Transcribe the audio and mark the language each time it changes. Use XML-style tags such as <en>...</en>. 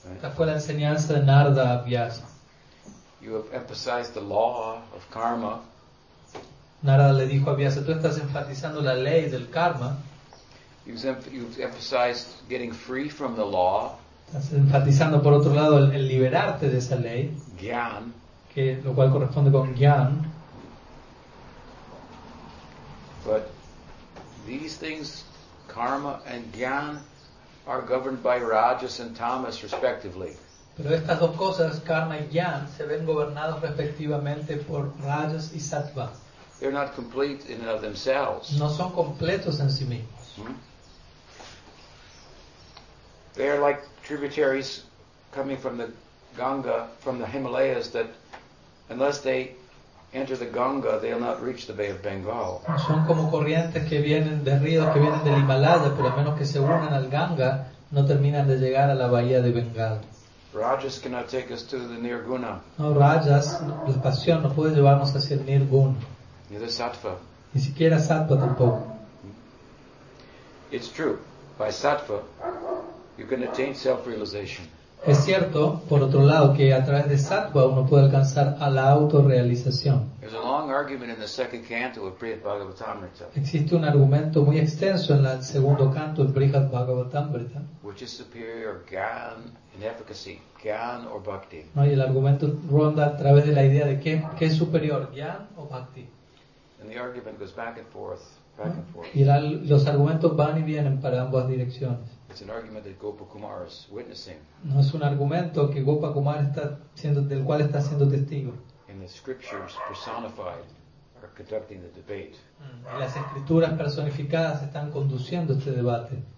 <es>Esta fue la enseñanza de Narada a Vyasa.</es> <en>You have emphasized the law of karma.</en> <es>Narada le dijo a Vyasa, tú estás enfatizando la ley del karma.</es> <en>You've emphasized getting free from the law.</en> <es>Estás enfatizando por otro lado el liberarte de esa ley.</es> <sa>Gyan.</sa> <es>Que lo cual corresponde con gyan.</es> <en>But these things, karma and gyan, are governed by rajas and tamas, respectively.</en> <es>Pero estas dos cosas, karma y gyan, se ven gobernados respectivamente por rajas y sattva.</es> <en>They're not complete in and of themselves.</en> <es>No son completos en sí mismos.</es> <en>They are like tributaries coming from the Ganga, from the Himalayas, that unless they enter the Ganga, they'll not reach the Bay of Bengal.</en> <es>Son como corrientes que vienen de ríos que vienen del Himalaya, pero a menos que se unan al Ganga, no terminan de llegar a la bahía de Bengal.</es> <en>Rajas cannot take us to the Nirguna.</en> <es>No, rajas, la pasión no puede llevarnos hacia el Nirguna. Ni de sattva. Ni siquiera sattva tampoco.</es> <en>It's true. By sattva, you can attain self-realization.</en> <es>Es cierto, por otro lado, que a través de sattva uno puede alcanzar a la autorrealización.</es> <en>There's a long argument in the second canto of Brihat Bhagavatamrita.</en> <es>Existe un argumento muy extenso en el segundo canto de Brihat Bhagavatamrita.</es> <en>Which is superior, gyan in efficacy, gyan or bhakti?</en> <es>No, y el argumento ronda a través de la idea de qué es superior, gyan o bhakti.</es> <en>And the argument goes back and forth, back and forth.</en> <es>Y los argumentos van y vienen para ambas direcciones.</es> <en>It's an argument that Gopakumar is witnessing.</en> <es>No, es un argumento que Gopakumar está siendo, del cual está siendo testigo.</es> <en>And the scriptures personified are conducting the debate.</en> <es>Y las escrituras personificadas están conduciendo este debate.</es>